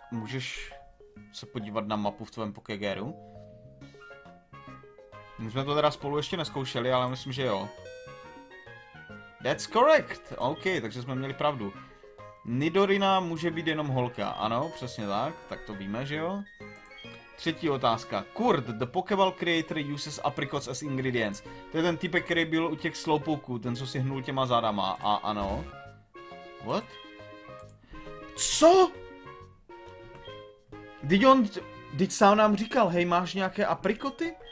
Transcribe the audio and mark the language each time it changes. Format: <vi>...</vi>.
<cs>Můžeš se podívat na mapu v tvém Pokégíru? My jsme to teda spolu ještě neskoušeli, ale myslím, že jo.</cs> <en>That's correct!</en> <cs>OK, takže jsme měli pravdu. Nidorina může být jenom holka. Ano, přesně tak. Tak to víme, že jo? Třetí otázka.</cs> <en>Kurt, the Pokeball creator uses apricots as ingredients.</en> <cs>To je ten typek, který byl u těch slowpoků, ten, co si hnul těma zádama. A ano.</cs> <en>What?</en> <cs>Co? Did on... Did sám nám říkal, hej, máš nějaké aprikoty?</cs>